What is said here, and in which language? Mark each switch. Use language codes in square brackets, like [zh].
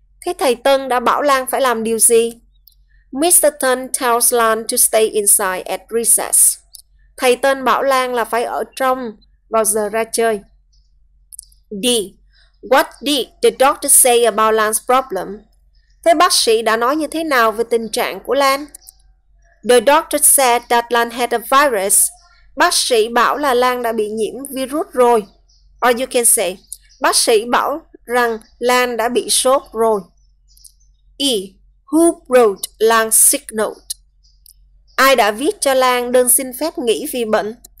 [vi] Thế thầy Tân đã bảo Lan phải làm điều gì? Mr. [en] Tân tells Lan to stay inside at recess. [vi] Thầy Tân bảo Lan là phải ở trong vào giờ ra chơi. [en] D. What did the doctor say about Lan's problem? [vi] Thế bác sĩ đã nói như thế nào về tình trạng của Lan? [en] The doctor said that Lan had a virus. [vi] Bác sĩ bảo là Lan đã bị nhiễm virus rồi. [en] Or you can say, [vi] bác sĩ bảo rằng Lan đã bị sốt rồi. E. [en] Who wrote Lan's sick note? [vi] Ai đã viết cho Lan đơn xin phép nghỉ vì bệnh?